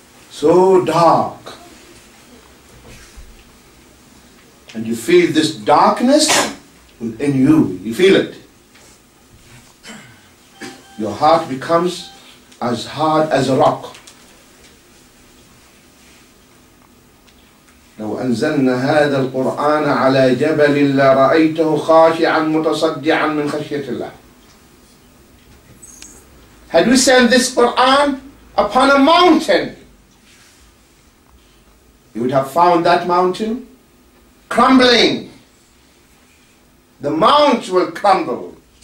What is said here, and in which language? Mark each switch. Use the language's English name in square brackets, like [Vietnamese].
[English] So dark. And you feel this darkness within you. You feel it. Your heart becomes as hard as a rock. [Arabic] لو أنزلنا هذا القرآن على جبل لرأيته خاشعا متصدعا من خشية الله. [English] Had we sent this Quran upon a mountain, you would have found that mountain crumbling. The mount will crumble.